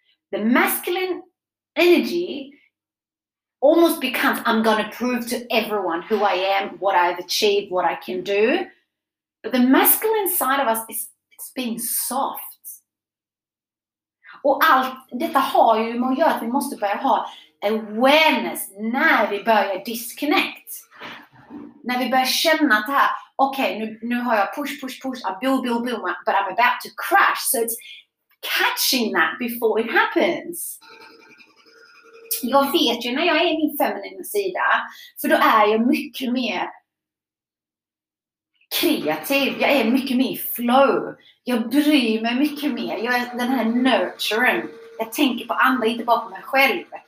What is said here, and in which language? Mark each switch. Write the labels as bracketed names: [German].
[English] The masculine energy almost becomes I'm going to prove to everyone who I am, what I've achieved, what I can do. But the masculine side of us is being soft. [Swedish] Och allt detta har ju med att göra att vi måste börja ha awareness när vi börjar disconnect. När vi börjar känna att det här, okej, nu har jag push, push, push, [English] I boom, boom, boom, but I'm about to crash. So it's catching that before it happens. [Swedish] Jag vet ju när jag är i min feminina sida, för då är jag mycket mer kreativ. Jag är mycket mer flow. Jag bryr mig mycket mer. Jag är den här nurturing. Jag tänker på andra, inte bara på mig själv.